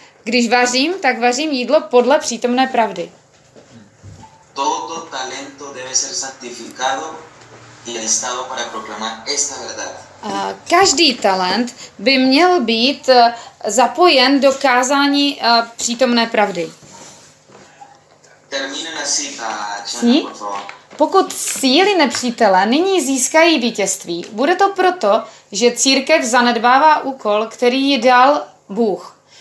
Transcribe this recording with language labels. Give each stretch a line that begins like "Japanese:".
Czech: Když vařím, tak vařím jídlo podle přítomné pravdy.
Spanish: Todo talento debe ser santificado y alistado para proclamar esta verdad.
Czech: Každý talent by měl být zapojen do kázání přítomné pravdy.
Spanish: Termine la cita, Chana, por favor.
Czech: Pokud síly nepřítele nyní získají vítězství, bude to proto, že církev zanedbává úkol, který jí dal Bůh.